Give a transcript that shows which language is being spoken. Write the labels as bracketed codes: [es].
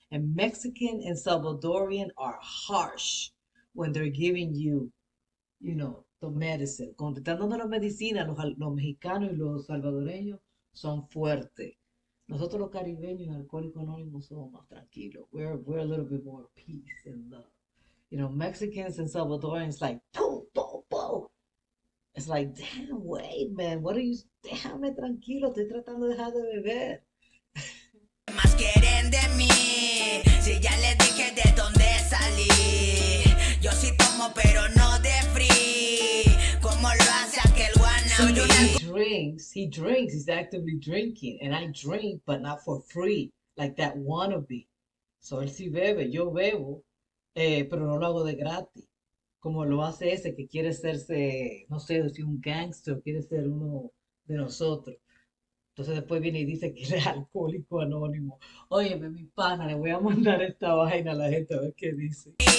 [en] And Mexican and Salvadorian are harsh when they're giving you, you know, the medicine. [es] Cuando te están dando la medicina, los mexicanos y los salvadoreños son fuertes. Nosotros los caribeños en Alcohólicos Anónimos somos más tranquilos. [en] We're a little bit more peace and love. You know, Mexicans and Salvadorians, like, boom, boom, boom. It's like, damn, wait, man, what are you, [es] déjame tranquilo, estoy tratando de dejar de beber. Más quieren de mí, si ya les dije de dónde salí. Yo sí tomo, pero no de free, como lo hace aquel wannabe. [en] He drinks, he's actively drinking, and I drink, but not for free, like that wannabe. [es] So él sí bebe, yo bebo, pero no lo hago de gratis, como lo hace ese que quiere hacerse, no sé, decir un gangster, quiere ser uno de nosotros. Entonces después viene y dice que es alcohólico anónimo. Óyeme, mi pana, le voy a mandar esta vaina a la gente a ver qué dice.